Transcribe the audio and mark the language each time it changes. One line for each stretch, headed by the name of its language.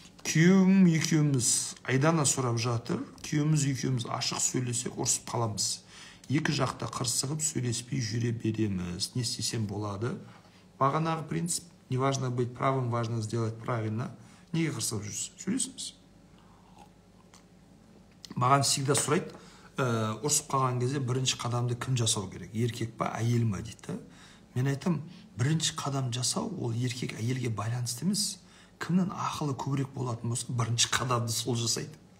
Kazakh: Күйім екеуміз айдана сұрап жатыр. Күйіміз екеуміз ашық сөйлесек ұрсып қаламыз. Екі жақта қырсығып сөйлеспей жүре береміз. Не істесем болады? Бағанағы принцип.
Russian: Не важно быть правым, важно сделать правильно.
Kazakh: Не қырсығып жүрсіз. Сөйлесіңіз. Маған всегда сұрайды, ұрсып қалған кезде бірінші қадамды кім жасау керек? Еркек па, әйел ма дейді. Мен айтам, бірінші қадам жасау ол еркек әйелге байланысты емес. Кімнің ақылы көбірек болатын болса, бірінші қадамды сол жасайды.